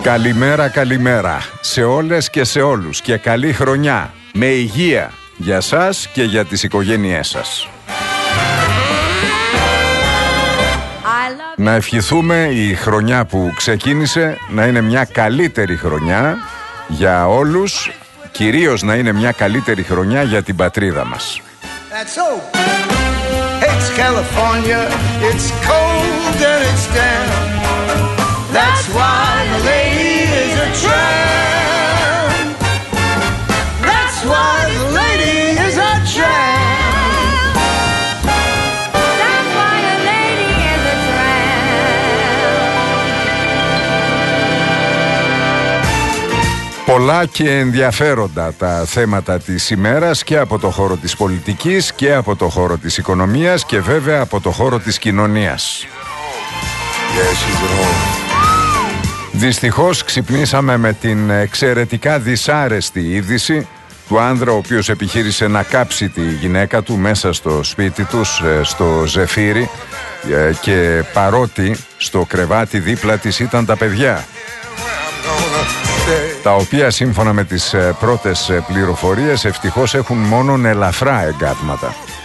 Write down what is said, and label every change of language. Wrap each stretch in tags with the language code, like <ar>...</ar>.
<el>Καλημέρα, καλημέρα σε όλες και σε όλους και καλή χρονιά με υγεία για σας και για τις οικογένειές σας. Να ευχηθούμε η χρονιά που ξεκίνησε να είναι μια καλύτερη χρονιά για όλους, κυρίως να είναι μια καλύτερη χρονιά για την πατρίδα μας.</el> <en>It's California, it's cold and it's damp. That's why the lady is a tramp. That's why the lady is a tramp. That's why the lady is a tramp.</en> <el>Πολλά και ενδιαφέροντα τα θέματα της ημέρας και από το χώρο της πολιτικής και από το χώρο της οικονομίας και βέβαια από το χώρο της κοινωνίας. Yes, δυστυχώς ξυπνήσαμε με την εξαιρετικά δυσάρεστη είδηση του άνδρα ο οποίος επιχείρησε να κάψει τη γυναίκα του μέσα στο σπίτι του, στο Ζεφύρι, και παρότι στο κρεβάτι δίπλα της ήταν τα παιδιά, τα οποία σύμφωνα με τις πρώτες πληροφορίες ευτυχώς έχουν μόνο ελαφρά εγκάβματα.</el>